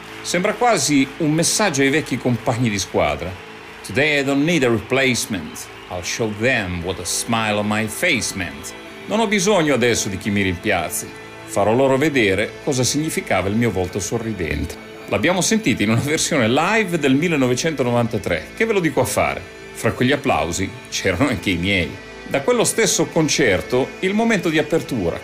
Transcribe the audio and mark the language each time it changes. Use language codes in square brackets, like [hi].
[it] Sembra quasi un messaggio ai vecchi compagni di squadra. [en] Today I don't need a replacement, I'll show them what a smile on my face meant. [it] Non ho bisogno adesso di chi mi rimpiazzi, farò loro vedere cosa significava il mio volto sorridente. L'abbiamo sentito in una versione live del 1993, che ve lo dico a fare? Fra quegli applausi c'erano anche i miei. Da quello stesso concerto, il momento di apertura.